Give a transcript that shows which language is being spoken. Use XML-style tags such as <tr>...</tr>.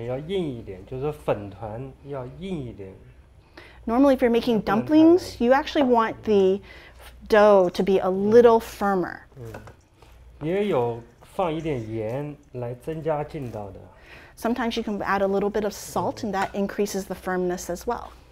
<zh>一般做饺子呢，面粉要硬一点，就是粉团要硬一点。</zh> <en>Normally, if you're making dumplings, you actually want the dough to be a little firmer.</en> <zh>也有放一点盐来增加劲道的。</zh> <en>Sometimes you can add a little bit of salt, and that increases the firmness as well.</en>